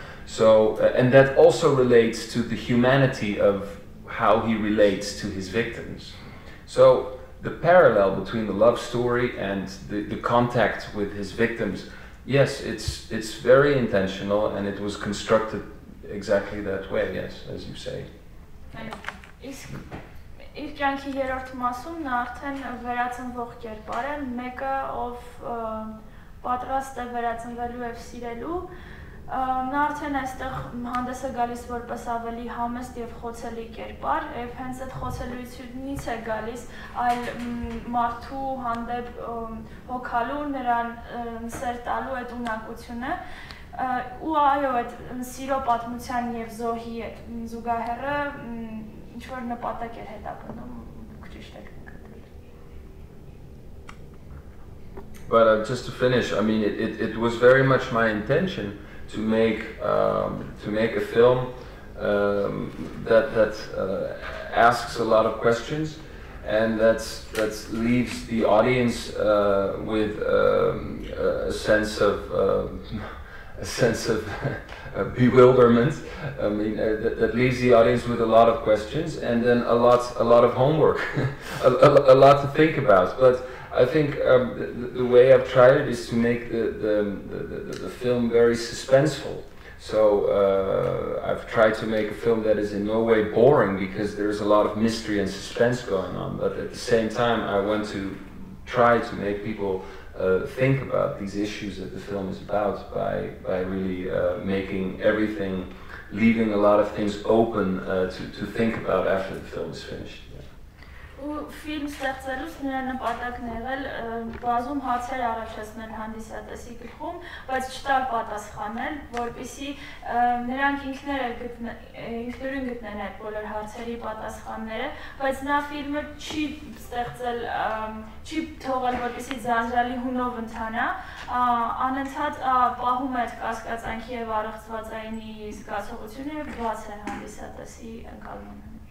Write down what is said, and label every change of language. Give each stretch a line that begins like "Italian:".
English: So, and that also relates to the humanity of how he relates to his victims. So the parallel between the love story and the contact with his victims, yes, it's very intentional, and it was constructed exactly that way, yes, as you say.
Armenian: Իսկ իր կյանքի երրորդ մասում նա արդեն վերածնվող կերպար է, մեկը, ով պատրաստ է վերածնվելու և սիրելու, նա արդեն այստեղ հանդես է գալիս որպես ավելի համեստ և խոցելի կերպար, և հենց այդ խոցելությունից է գալիս այլ մարդու հանդեպ հոգալու, նրան սեր տալու այդ ունակությունը, ու այո, այդ սիրո պատմության և զոհի այդ զուգահեռը ինչ-որ նպատակ էր հետապնդում, ճիշտ եք նկատել։
English: But just to finish, I mean, it was very much my intention to make a film that asks a lot of questions and that leaves the audience with a sense of bewilderment. I mean, that leaves the audience with a lot of questions and then a lot of homework, a lot to think about. But I think the way I've tried it is to make the film very suspenseful. So I've tried to make a film that is in no way boring, because there's a lot of mystery and suspense going on. But at the same time, I want to try to make people think about these issues that the film is about by really making everything, leaving a lot of things open to think about after the film is finished.
Armenian: Ու ֆիլմ ստեղծելուց նրա նպատակն եղել բազում հարցեր առաջացնել հանդիսատեսի գլխում, բայց չտալ պատասխանել, որպեսզի նրանք ինքներին գտնեն այդ բոլոր հարցերի պատասխանները, բայց նա ֆիլմը չի ստեղծել, չի թողել, որպեսզի զանջալի հունով ընթանա, անընդհատ պահում է կասկածանքի և առողջացածայինի զգացողությունը, և բաց է հանդիսատեսի ընկալումը։